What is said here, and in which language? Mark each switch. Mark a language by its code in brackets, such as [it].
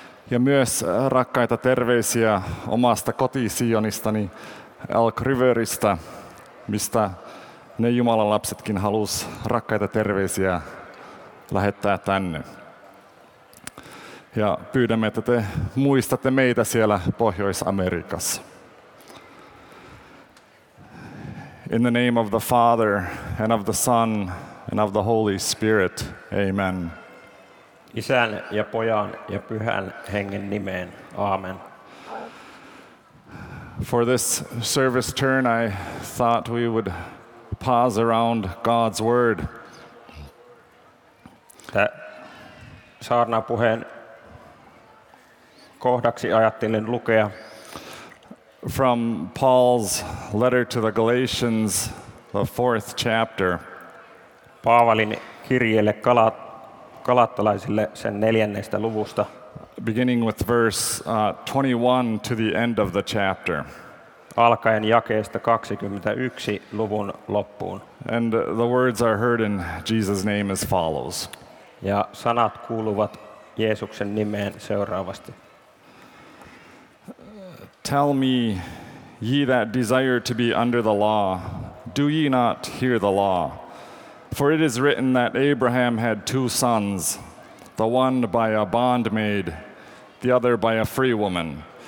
[fi] Ja myös rakkaita terveisiä omasta kotisionistani Elk Riveristä, mistä ne Jumalan lapsetkin halusi rakkaita terveisiä lähettää tänne. Ja pyydämme, että te muistatte meitä siellä Pohjois-Amerikassa. [en] In the name of the Father, and of the Son, and of the Holy Spirit. Amen. [fi] Isän ja Pojan ja Pyhän Hengen nimeen. Amen. [en] For this service turn, I thought we would pause around God's Word. [fi] Saarnapuheen kohdaksi ajattelin lukea. [en] From Paul's letter to the Galatians, the fourth chapter. [fi] Paavalin kirjeelle Galattalaisille sen neljännestä luvusta. [en] Beginning with verse 21 to the end of the chapter. [fi] Alkaen jakeesta 21 luvun loppuun. [en] And the words are heard in Jesus' name as follows. [fi] Ja sanat kuuluvat Jeesuksen nimeen seuraavasti. [en] Tell me, ye that desire to be under the law, do ye not hear the law? For it is written that Abraham had two sons, the one by a bondmaid, the other by a free woman.